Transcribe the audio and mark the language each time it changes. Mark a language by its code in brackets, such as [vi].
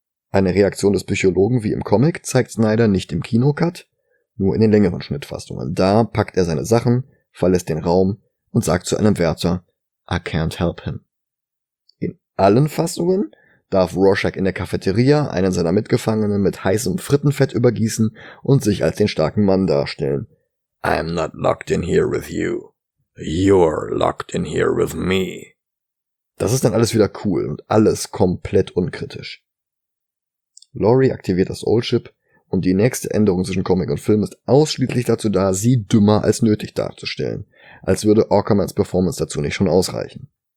[de] Eine Reaktion des Psychologen wie im Comic zeigt Snyder nicht im Kinocut, nur in den längeren Schnittfassungen. Da packt er seine Sachen, verlässt den Raum und sagt zu einem Wärter, [en] I can't help him. [de] In allen Fassungen darf Rorschach in der Cafeteria einen seiner Mitgefangenen mit heißem Frittenfett übergießen und sich als den starken Mann darstellen. [en] I'm not locked in here with you. You're locked in here with me. [de] Das ist dann alles wieder cool und alles komplett unkritisch. Laurie aktiviert das Oldship und die nächste Änderung zwischen Comic und Film ist ausschließlich dazu da, sie dümmer als nötig darzustellen, als würde Aukermans Performance dazu nicht schon ausreichen.